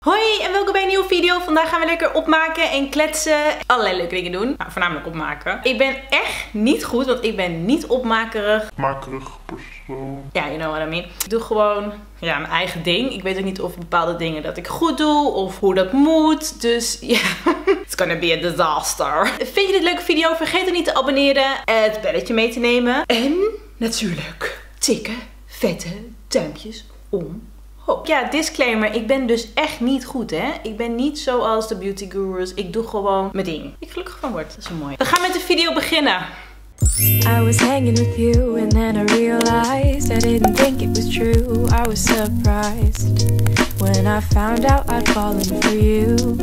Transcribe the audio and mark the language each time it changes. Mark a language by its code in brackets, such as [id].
[nl] Hoi en welkom bij een nieuwe video. Vandaag gaan we lekker opmaken en kletsen. Allerlei leuke dingen doen. Nou, voornamelijk opmaken. Ik ben echt niet goed, want ik ben niet opmakerig. Makerig persoon. [en] Ja, you know what I mean. [nl] Ik doe gewoon mijn eigen ding. Ik weet ook niet of bepaalde dingen dat ik goed doe of hoe dat moet. Dus ja, [en] it's gonna be a disaster. [nl] Vind je dit een leuke video? Vergeet dan niet te abonneren. Het belletje mee te nemen. En natuurlijk tikken vette duimpjes om. Oh. Ja, disclaimer. Ik ben dus echt niet goed, hè. Ik ben niet zoals de beauty gurus. Ik doe gewoon mijn ding. Ik gelukkig van word. Dat is wel mooi. We gaan met de video beginnen. [en] I was hanging with you and then I realized I didn't think it was true. I was surprised when I found out I'd fallen for you.